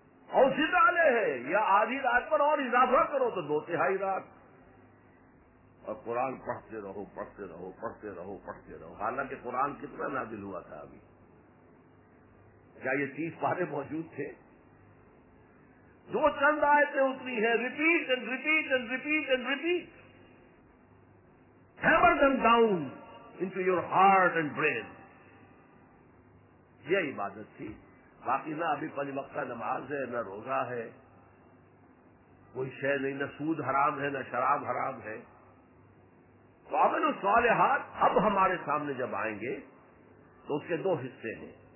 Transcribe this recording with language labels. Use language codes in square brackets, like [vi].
[ur] اور سدالے ہے یا آدھی رات پر اور اضافہ کرو تو دو تہائی رات. اور قرآن پڑھتے رہو پڑھتے رہو پڑھتے رہو پڑھتے رہو. حالانکہ قرآن کتنا نازل ہوا تھا ابھی, کیا یہ 30 پارے موجود تھے؟ جو چند آیتیں اتنی ہے. [en] Repeat and repeat and repeat and repeat, hammer them down into your heart and brain. [ur] یہ عبادت تھی. باقی نہ ابھی پنج وقت نماز ہے, نہ روزہ ہے, کوئی شے نہیں, نہ سود حرام ہے, نہ شراب حرام ہے. تو عمل الصالحات اب ہمارے سامنے جب آئیں گے تو اس کے دو حصے ہیں.